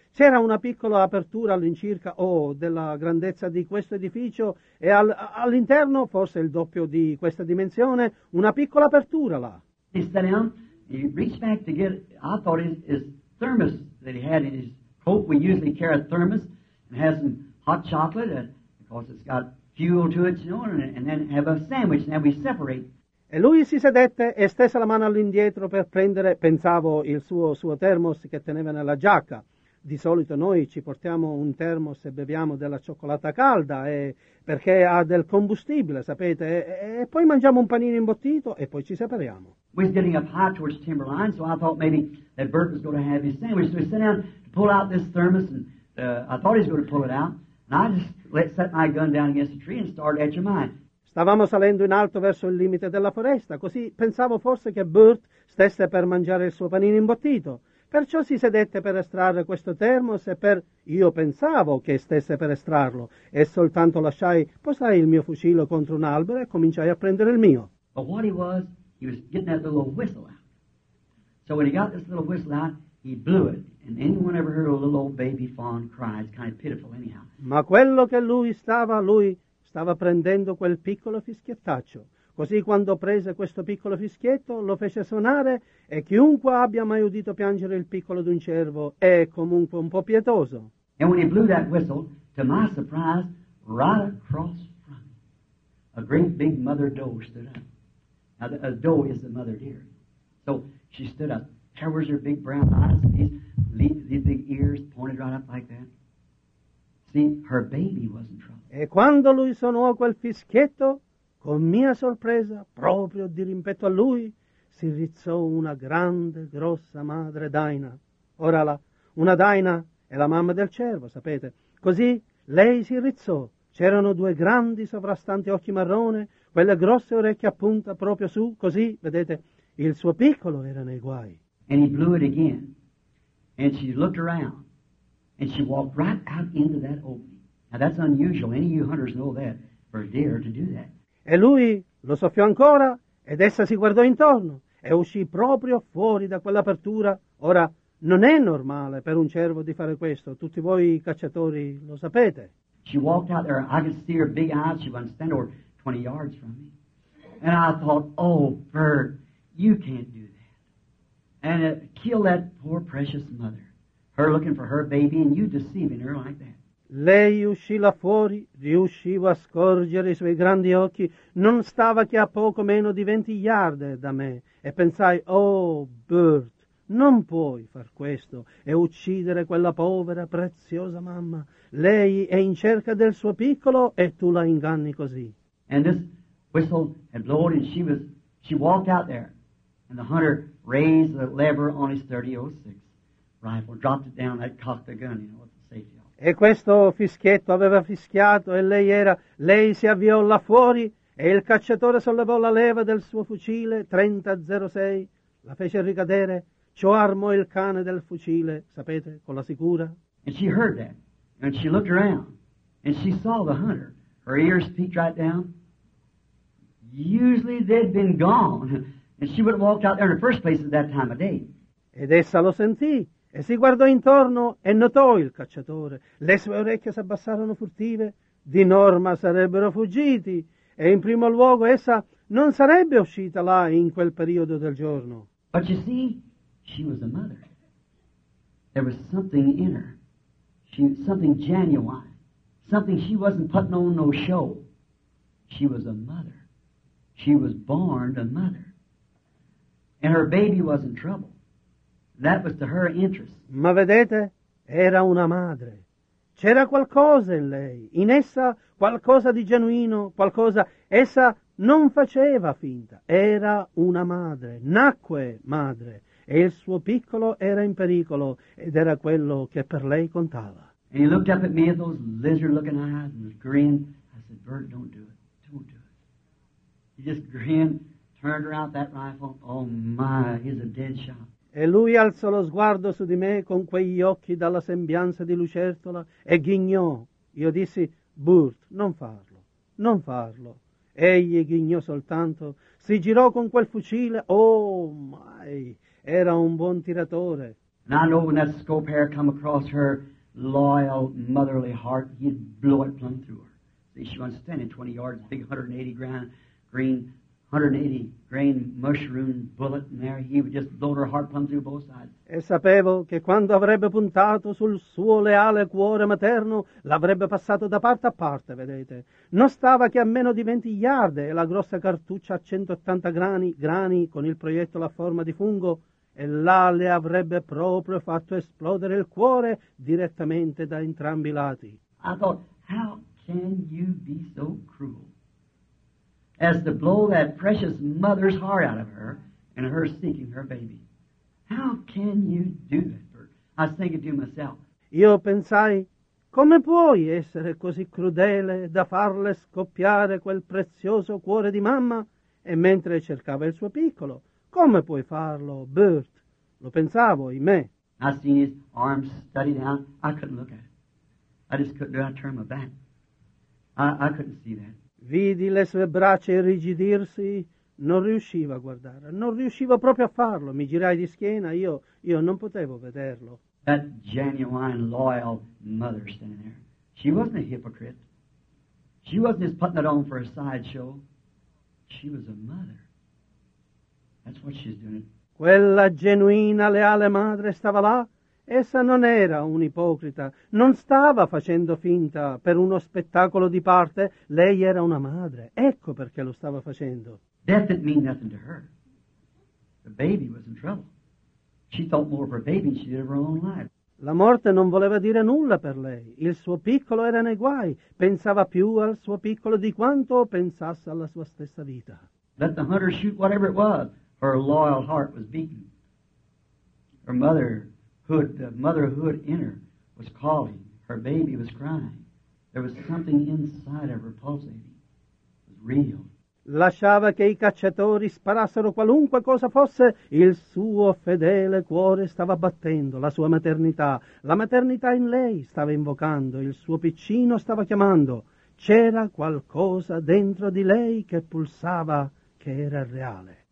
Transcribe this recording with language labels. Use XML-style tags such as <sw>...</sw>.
<it>C'era una piccola apertura all'incirca della grandezza di questo edificio e all'interno, forse il doppio di questa dimensione, una piccola apertura là.</it> <en>He sat down, he reached back to get, I thought his thermos that he had in his coat. We usually carry a thermos and have some hot chocolate, because it's got fuel to it, you know, and then have a sandwich, and then we separate.</en> <it>E lui si sedette e stese la mano all'indietro per prendere, pensavo, il suo termos che teneva nella giacca. Di solito noi ci portiamo un termos e beviamo della cioccolata calda e perché ha del combustibile, sapete, e poi mangiamo un panino imbottito e poi ci separiamo.</it> <en>We were getting up high towards Timberline, so I thought maybe that Bert was going to have his sandwich. So he sat down to pull out this thermos and I thought he was going to pull it out. And I just set my gun down against the tree and started at your mind.</en> <it>Stavamo salendo in alto verso il limite della foresta, così pensavo forse che Bert stesse per mangiare il suo panino imbottito. Perciò si sedette per estrarre questo termos e per... Io pensavo che stesse per estrarlo e soltanto lasciai, posai il mio fucile contro un albero e cominciai a prendere il mio.</it> <en>But what he was getting that little whistle out. So when he got this little whistle out, he blew it. And anyone ever heard a little old baby fawn cry? It's kind of pitiful anyhow.</en> <it>Ma quello che lui stava prendendo quel piccolo fischiettaccio. Così quando prese questo piccolo fischietto, lo fece suonare e chiunque abbia mai udito piangere il piccolo d'un cervo è comunque un po' pietoso.</it> <en>And when he blew that whistle, to my surprise, right across from me, a great big mother doe stood up. Now, a doe is the mother deer. So she stood up. There was her big brown eyes, these big ears pointed right up like that. See, her baby was in trouble.</en> <it>E quando lui suonò quel fischietto, con mia sorpresa, proprio di rimpetto a lui, si rizzò una grande, grossa madre daina. Ora là, una daina è la mamma del cervo, sapete. Così lei si rizzò. C'erano due grandi, sovrastanti occhi marrone, quelle grosse orecchie a punta proprio su, così, vedete, il suo piccolo era nei guai.</it> <en>And he blew it again. And she looked around. And she walked right out into that open. Now that's unusual. Any of you hunters know that for a deer to do that.</en> <it>E lui lo soffiò ancora ed essa si guardò intorno e uscì proprio fuori da quell'apertura. Ora, non è normale per un cervo di fare questo. Tutti voi cacciatori lo sapete.</it> <en>She walked out there. I could see her big eyes. She wasn't standing over 20 yards from me. And I thought, oh, Bert, you can't do that. And kill that poor precious mother. Her looking for her baby and you deceiving her like that.</en> <it>Lei uscì là fuori, riuscivo a scorgere i suoi grandi occhi, non stava che a poco meno di 20 yard da me, e pensai, oh Bert, non puoi far questo e uccidere quella povera, preziosa mamma. Lei è in cerca del suo piccolo e tu la inganni così.</it> <en>And this whistle had blown and she walked out there, and the hunter raised the lever on his .30-06 rifle, dropped it down, had cocked the gun, you know, with the safety.</en> <it>E questo fischietto aveva fischiato e lei si avviò là fuori e il cacciatore sollevò la leva del suo fucile .30-06, la fece ricadere, ciò armò il cane del fucile, sapete, con la sicura.</it> <en>And she heard that, and she looked around, and she saw the hunter, her ears peeked right down. Usually they'd been gone, and she would have walked out there in the first place at that time of day.</en> <it>Ed essa lo sentì. E si guardò intorno e notò il cacciatore. Le sue orecchie si abbassarono furtive. Di norma sarebbero fuggiti. E in primo luogo essa non sarebbe uscita là in quel periodo del giorno.</it> <en>But you see, she was a mother. There was something in her. Something genuine. Something she wasn't putting on no show. She was a mother. She was born a mother. And her baby was in trouble. That was to her interest.</en> <it>Ma vedete, era una madre. C'era qualcosa in lei, in essa qualcosa di genuino, qualcosa. Essa non faceva finta. Era una madre, nacque madre, e il suo piccolo era in pericolo, ed era quello che per lei contava.</it> <en>And he looked up at me with those lizard-looking eyes and was grinning. I said, Bert, don't do it. Don't do it. He just grinned, turned around that rifle. Oh my, he's a dead shot.</en> <it>E lui alzò lo sguardo su di me con quegli occhi dalla sembianza di lucertola e ghignò. Io dissi, Burt, non farlo, non farlo. Egli ghignò soltanto, si girò con quel fucile,</it> <en>oh my,</en> <it>era un buon tiratore.</it> <en>And I know when that scope hair come across her loyal, motherly heart, he'd blow it plumb through her. See, she was standing 20 yards, big 180 grand, green, 180 grain mushroom bullet in there, he would just blow her heart plumb through both sides.</en> <it>E sapevo che quando avrebbe puntato sul suo leale cuore materno, l'avrebbe passato da parte a parte, vedete. Non stava che a meno di 20 yard e la grossa cartuccia a 180 grani con il proiettile a forma di fungo, e là le avrebbe proprio fatto esplodere il cuore direttamente da entrambi i lati.</it> <en>I thought, how can you be so cruel? As to blow that precious mother's heart out of her and her seeking her baby. How can you do that, Bert? I was thinking to myself.</en> <it>Io pensai, come puoi essere così crudele da farle scoppiare quel prezioso cuore di mamma? E mentre cercava il suo piccolo, come puoi farlo, Bert? Lo pensavo in me.</it> <en>I seen his arms study down. I couldn't look at it. I just couldn't do it. I turned my back. I couldn't see that.</en> <it>Vidi le sue braccia irrigidirsi, non riuscivo a guardare, non riuscivo proprio a farlo, mi girai di schiena, io non potevo vederlo.</it> <en>That genuine, loyal mother standing there, she wasn't a hypocrite, she wasn't just putting it on for a sideshow, she was a mother, that's what she's doing.</en> <it>Quella genuina, leale madre stava là. Essa non era un'ipocrita, non stava facendo finta per uno spettacolo di parte, lei era una madre, ecco perché lo stava facendo.</it> <en>Death didn't mean nothing to her. The baby was in trouble. She thought more of her baby than she did of her own life.</en> <it>La morte non voleva dire nulla per lei, il suo piccolo era nei guai, pensava più al suo piccolo di quanto pensasse alla sua stessa vita.</it> <en>Let the hunter shoot whatever it was, her loyal heart was beaten. Her mother... The motherhood in her was calling. Her baby was crying. There was something inside of her pulsating. It was real.</en> <it>Lasciava che i cacciatori sparassero qualunque cosa fosse. Il suo fedele cuore stava battendo. La sua maternità. La maternità in lei stava invocando. Il suo piccino stava chiamando. C'era qualcosa dentro di lei che pulsava, che era reale.</it>